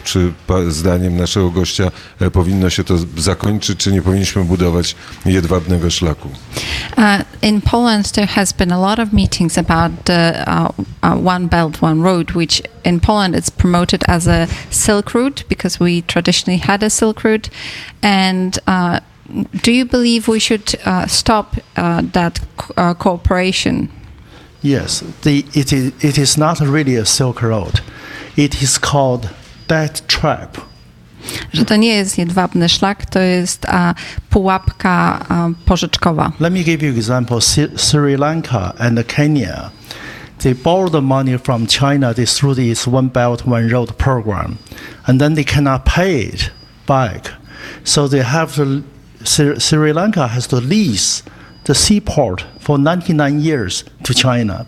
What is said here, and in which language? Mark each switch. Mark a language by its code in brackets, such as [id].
[pl] Czy zdaniem naszego gościa powinno się to zakończyć, czy nie powinniśmy budować jedwabnego szlaku? [en] In Poland there has been a lot of meetings about One Belt, One Road, which in Poland it's promoted as a Silk Route, because we traditionally had a Silk Route. And do you believe we should stop that cooperation? Yes, it is not really a Silk Road. It is called debt trap. [pl] Że to nie jest jedwabny szlak, to jest pułapka pożyczkowa. [en] Let me give you an example. Sri Lanka and Kenya, they borrow the money from China through this One Belt, One Road program, and then they cannot pay it back. So they have to, Sri Lanka has to lease the seaport for 99 years to China.